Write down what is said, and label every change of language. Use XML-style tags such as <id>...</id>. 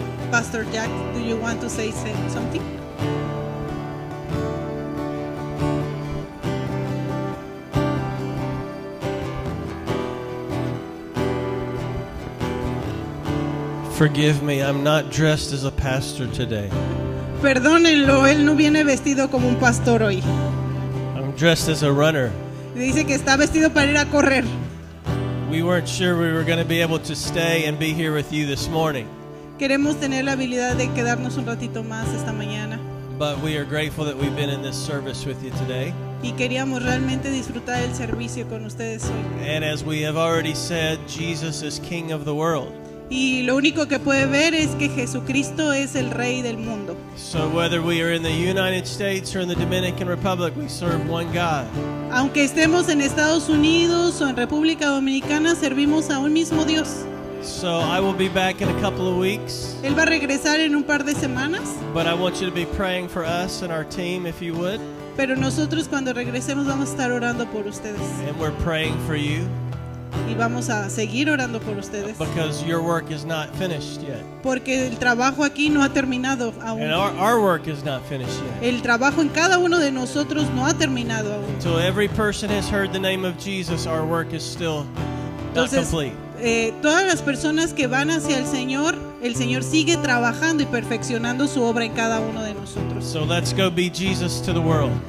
<en>Pastor Jack, do you want to say something? Thank you. Forgive me, I'm not dressed as a pastor today.</en> <es>Perdónenlo, él no viene vestido como un pastor hoy.</es> <en>I'm dressed as a runner.</en> <es>Dice que está vestido para ir a correr.</es> <en>We weren't sure we were going to be able to stay and be here with you this morning.</en> <es>Queremos tener la habilidad de quedarnos un ratito más esta mañana.</es> <en>But we are grateful that we've been in this service with you today.</en> <es>Y queríamos realmente disfrutar el servicio con ustedes hoy.</es> <en>And as we have already said, Jesus is King of the world.</en> <es>Y lo único que puede ver es que Jesucristo es el Rey del mundo.</es> <en>So whether we are in the United States or in the Dominican Republic, we serve one God.</en> <es>Aunque estemos en Estados Unidos o en República Dominicana, servimos a un mismo Dios.</es> <en>So I will be back in a couple of weeks.</en> <es>Él va a regresar en un par de semanas.</es> <en>But I want you to be praying for us and our team, if you would.</en> <es>Pero nosotros cuando regresemos vamos a estar orando por ustedes.</es> <en>And we're praying for you.</en> <es>Y vamos a seguir orando por ustedes.</es> <en>Because your work is not finished yet.</en> <es>Porque el trabajo aquí no ha terminado aún.</es> <en>And our work is not finished yet.</en> <es>El trabajo en cada uno de nosotros no ha terminado aún.</es> <en>Until every person has heard the name of Jesus, our work is still not complete.</en> <es>Todas las personas que van hacia el Señor sigue trabajando y perfeccionando su obra en cada uno de nosotros.</es> <en>So let's go be Jesus to the world.</en>